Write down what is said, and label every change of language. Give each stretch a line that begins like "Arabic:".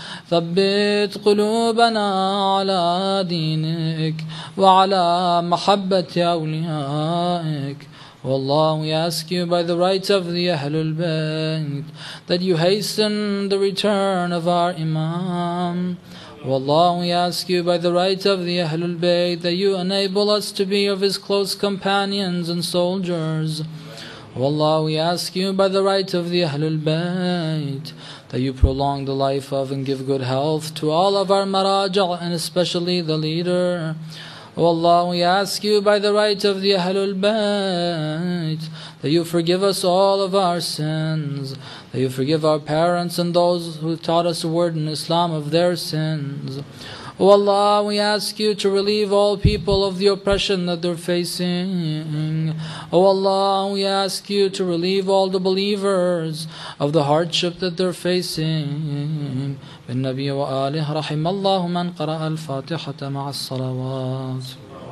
Arabic: ثبت قلوبنا على دينك وعلى محبة أوليائك والله
English: we ask you by the rights of the Ahlul Bayt that you hasten the return of our Imam. والله we ask you by the rights of the Ahlul Bayt that you enable us to be of his close companions and soldiers. والله we ask you by the rights of the Ahlul Bayt that you prolong the life of and give good health to all of our Maraja' and especially the leader. والله we ask you by the rights of the Ahlul Bayt that you forgive us all of our sins, that you forgive our parents and those who taught us the word in Islam of their sins. والله we ask you to relieve all people of the oppression that they're facing. والله we ask you to relieve all the believers of the hardship that they're facing.
Arabic: بالنبي وآله رحم الله من قرأ الفاتحة مع الصلوات.